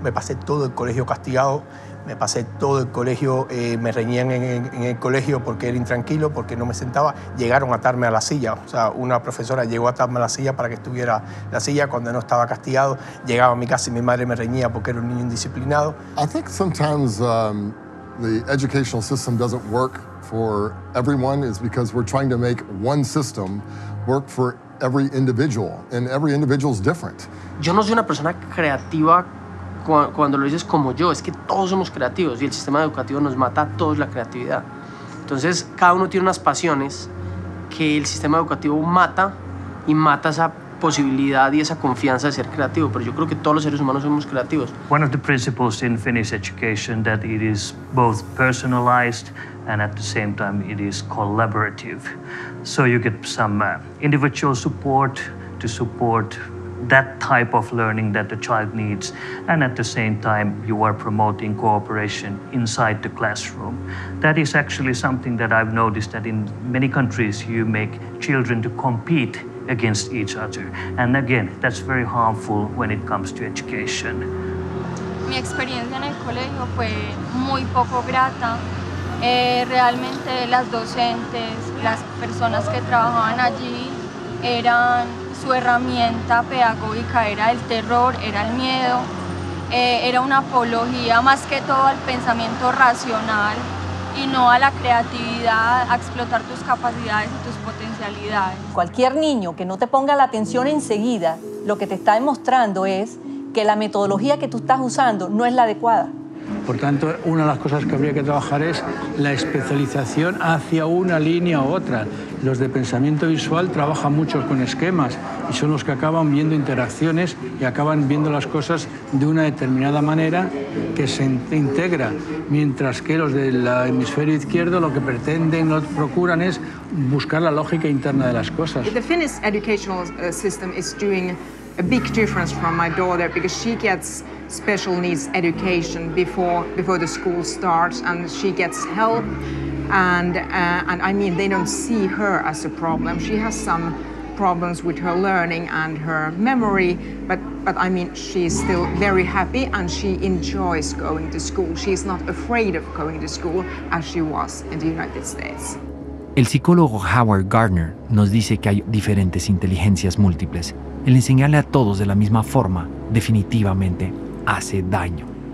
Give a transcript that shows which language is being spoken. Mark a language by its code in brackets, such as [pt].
[es] Me pasé todo el colegio castigado, me pasé todo el colegio, me reñían en el colegio porque era intranquilo, porque no me sentaba. Llegaron a atarme a la silla, o sea, una profesora llegó a atarme a la silla para que estuviera la silla cuando no estaba castigado. Llegaba a mi casa y mi madre me reñía porque era un niño indisciplinado. [en] I think sometimes the educational system doesn't work for everyone is because we're trying to make one system work for every individual, and every individual is different. [es] Yo no soy una persona creativa cuando lo dices como yo, es que todos somos creativos y el sistema educativo nos mata a todos la creatividad. Entonces, cada uno tiene unas pasiones que el sistema educativo mata y mata esa posibilidad y esa confianza de ser creativo, pero yo creo que todos los seres humanos somos creativos. [en] One of the principles in Finnish education that it is both personalized and at the same time it is collaborative. So you get some individual support to support that type of learning that the child needs, and at the same time you are promoting cooperation inside the classroom. That is actually something that I've noticed, that in many countries you make children to compete against each other, and again that's very harmful when it comes to education. [es] Mi experiencia en el colegio fue muy poco grata. Realmente las docentes, las personas que trabajaban allí, eran su herramienta pedagógica, era el terror, era el miedo, era una apología más que todo al pensamiento racional y no a la creatividad, a explotar tus capacidades y tus potencialidades. Cualquier niño que no te ponga la atención enseguida, lo que te está demostrando es que la metodología que tú estás usando no es la adecuada. Por tanto, una de las cosas que habría que trabajar es la especialización hacia una línea u otra. Los de pensamiento visual trabajan mucho con esquemas y son los que acaban viendo interacciones y acaban viendo las cosas de una determinada manera que se integra, mientras que los del hemisferio izquierdo lo que pretenden, lo procuran es buscar la lógica interna de las cosas. [en] The Finnish educational system is doing a big difference from my daughter because she gets special needs education before the school starts, and she gets help, and I mean they don't see her as a problem. She has some problems with her learning and her memory, but I mean she's still very happy and she enjoys going to school. She's not afraid of going to school as she was in the United States. [es] El psicólogo Howard Gardner nos dice que hay diferentes inteligencias múltiples. El enseñarle a todos de la misma forma definitivamente hace daño.